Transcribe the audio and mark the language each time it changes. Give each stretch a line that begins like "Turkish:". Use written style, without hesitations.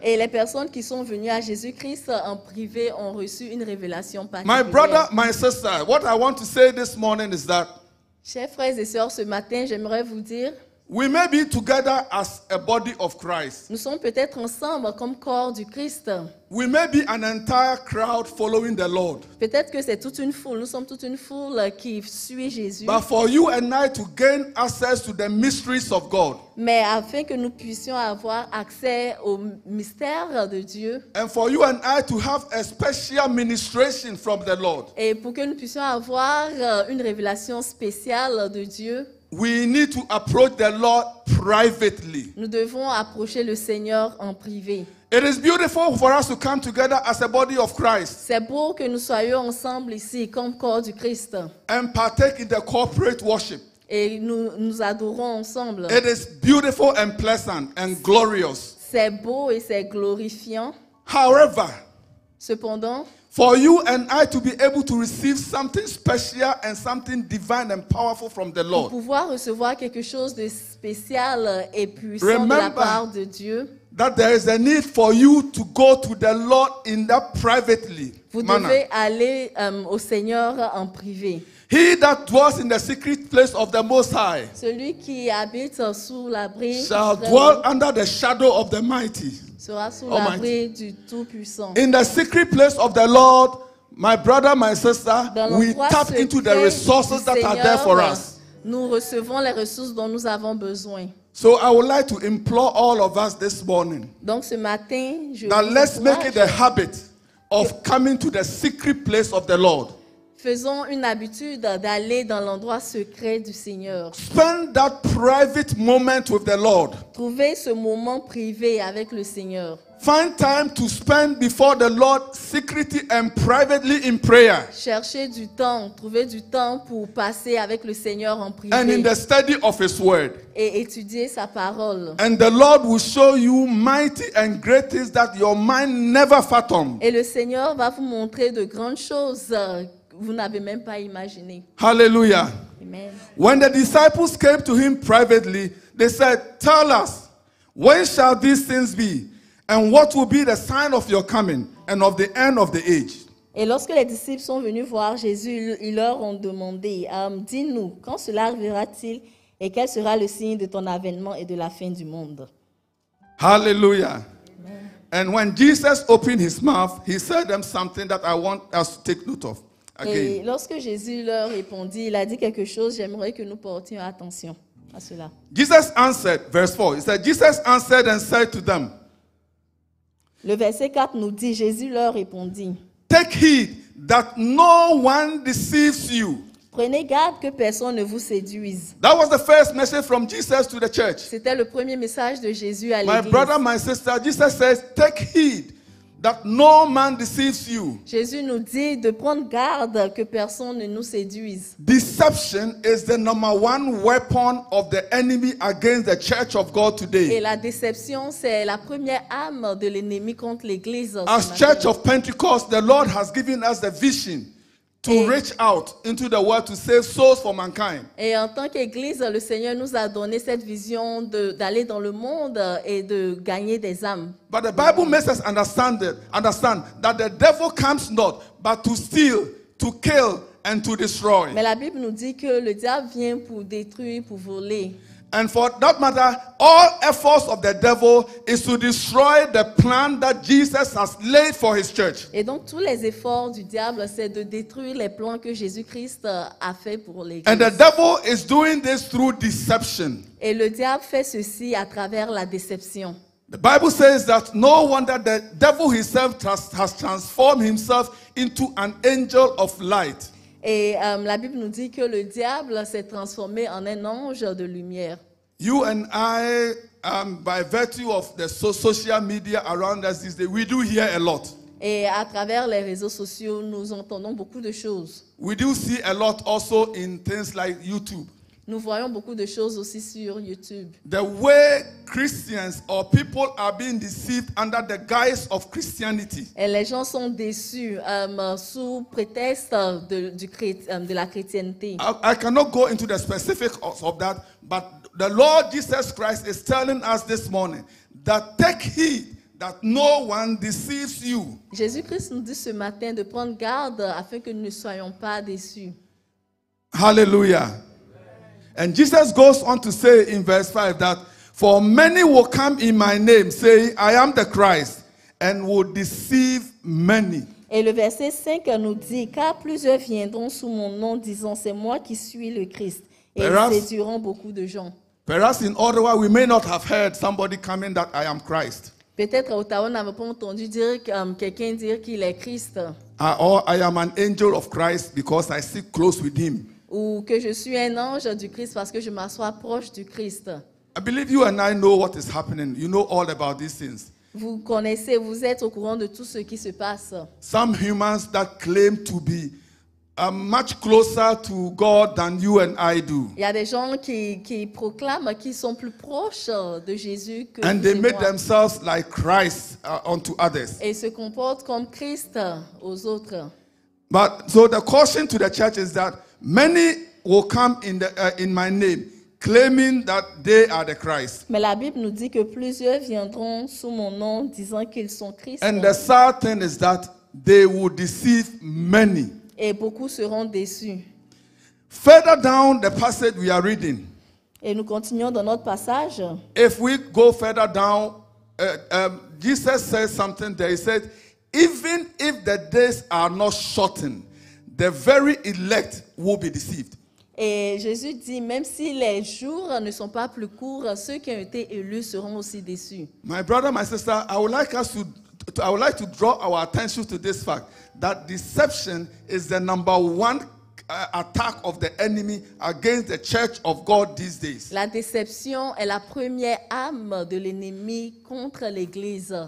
French: Et les personnes qui sont venues à Jésus-Christ en privé ont reçu une révélation particulière.
English: My brother, my sister, what I want to say this morning is that
French: chers frères et sœurs, ce matin, j'aimerais vous dire
English: we may be together as a body of Christ.
French: Nous sommes peut-être ensemble comme corps du Christ.
English: We may be an entire crowd following the Lord.
French: Peut-être que c'est toute une foule. Nous sommes toute une foule qui suit Jésus.
English: But for you and I to gain access to the mysteries of God.
French: Mais afin que nous puissions avoir accès aux mystères de Dieu.
English: And for you and I to have a special ministration from the Lord.
French: Et pour que nous puissions avoir une révélation spéciale de Dieu.
English: We need to approach the Lord privately.
French: Nous devons approcher le Seigneur en privé.
English: It is beautiful for us to come together as a body of Christ.
French: C'est beau que nous soyons ensemble ici comme corps du Christ.
English: And partake in the corporate worship.
French: Et nous adorons ensemble.
English: It is beautiful and pleasant and glorious.
French: C'est beau et c'est glorifiant.
English: However,
French: cependant,
English: for you and I to be able to receive something special and something divine and powerful from the Lord.
French: Pour pouvoir recevoir quelque chose de spécial et puissant
English: remember
French: de la part de Dieu.
English: That there is a need for you to go to the Lord in that privately
French: vous
English: manner.
French: Devez aller au Seigneur en privé.
English: He that dwells in the secret place of the Most High,
French: celui qui habite sous l'abri,
English: shall dwell under the shadow of the Mighty,
French: sera sous l'abri du Tout-Puissant.
English: In the secret place of the Lord, my brother, my sister, we tap into the resources that are there for us.
French: Nous recevons les ressources dont nous avons besoin.
English: So I would like to implore all of us this morning.
French: Donc ce matin, je
English: now let's make it a habit of coming to the secret place of the Lord.
French: Faisons une habitude d'aller dans l'endroit secret du Seigneur.
English: Spend that private moment with the Lord.
French: Trouvez ce moment privé avec le Seigneur.
English: Find time to spend before the Lord secretly and privately in prayer.
French: Cherchez du temps, trouvez du temps pour passer avec le Seigneur en privé.
English: And in the study of His Word.
French: Et étudier sa parole.
English: And the Lord will show you mighty and great things that your mind never fathomed.
French: Et le Seigneur va vous montrer de grandes choses. Vous n'avez même pas imaginé. Hallelujah. Amen.
English: When the disciples came to him privately, they said, "Tell us, when shall these things be, and what will be the sign of your coming and of the end of the age?"
French: Et lorsque les disciples sont venus voir Jésus, ils leur ont demandé, dis-nous, quand cela arrivera-t-il et quel sera le signe de ton avènement et de la fin du monde?" Hallelujah. Amen.
English: And when Jesus opened his mouth, he said them something that I want us to take note of.
French: Et lorsque Jésus leur répondit, il a dit quelque chose, j'aimerais que nous portions attention à cela.
English: Jesus answered, verse 4, he said, Jesus answered and said to them.
French: Le verset 4 nous dit, Jésus leur répondit.
English: Take heed that no one deceives you.
French: Prenez garde que personne ne vous séduise.
English: That was the first message from Jesus to the church.
French: C'était le premier message de Jésus à l'église.
English: My brother, my sister, Jesus says, take heed that no man deceives you.
French: Jésus nous dit de prendre garde que personne ne nous séduise.
English: Deception is the number one weapon of the enemy against the church of God today.
French: Et la déception, c'est la première arme de l'ennemi contre l'église.
English: As Church of Pentecost, the Lord has given us the vision to reach out into the world to save souls for mankind.
French: Et en tant qu'église, le Seigneur nous a donné cette vision d'aller dans le monde et de gagner des âmes.
English: But the Bible makes us understand that the devil comes not but to steal, to kill and to destroy.
French: Mais la Bible nous dit que le diable vient pour détruire, pour voler.
English: And for that matter, all efforts of the devil is to destroy the plan that Jesus has laid for his church.
French: Et donc tous les efforts du diable, c'est de détruire les plans que Jésus-Christ a fait pour l'église.
English: And the devil is doing this through deception.
French: Et le diable fait ceci à travers la déception.
English: The Bible says that no wonder the devil himself has transformed himself into an angel of light.
French: Et la Bible nous dit que le diable s'est transformé en un ange de lumière.
English: You and I, by virtue of the social media around us these days, we do hear a lot.
French: Et à travers les réseaux sociaux, nous entendons beaucoup de choses.
English: We do see a lot also in things like YouTube.
French: Nous voyons beaucoup de choses aussi sur YouTube.
English: The way Christians or people are being deceived under the guise of Christianity.
French: Et les gens sont déçus sous prétexte de la chrétienté.
English: I cannot go into the specifics of that, but the Lord Jesus Christ is telling us this morning that take heed that no one deceives you.
French: Jésus-Christ nous dit ce matin de prendre garde afin que nous ne soyons pas déçus. Hallelujah.
English: And Jesus goes on to say in verse 5 that for many will come in my name saying I am the Christ and will deceive many.
French: Et le verset 5 nous dit car plusieurs viendront sous mon nom disant c'est moi qui suis le Christ et séduiront beaucoup de gens.
English: Perhaps in Ottawa we may not have heard somebody coming that I am Christ.
French: Peut-être à Ottawa on n'avait pas entendu dire quelqu'un dire qu'il est Christ.
English: Or I am an angel of Christ because I sit close with him.
French: Ou que je suis un ange du Christ parce que je m'assois proche du Christ.
English: I believe you and I know what is happening. You know all about these things.
French: Vous connaissez, vous êtes au courant de tout ce qui se passe.
English: Some humans that claim to be much closer to God than you and I do.
French: Il y a des gens qui proclament qu'ils sont plus proches de Jésus que
English: and they make themselves like Christ unto others.
French: Et se comportent comme Christ aux autres.
English: But so the caution to the church is that many will come in my name, claiming that they are the Christ.
French: Mais la Bible nous dit que plusieurs viendront sous mon nom, disant qu'ils sont Christ.
English: And the sad thing is that they will deceive many.
French: Et beaucoup seront déçus.
English: Further down the passage we are reading.
French: Et nous continuons dans notre passage.
English: If we go further down, Jesus says something there. He said, even if the days are not shortened, the very elect will be deceived.
French: Et Jésus dit, même si les jours ne sont pas plus courts, ceux qui ont été élus seront aussi déçus.
English: My brother, my sister, I would like to draw our attention to this fact that deception is the number one attack of the enemy against the church of God these days.
French: La déception est la première arme de l'ennemi contre l'église.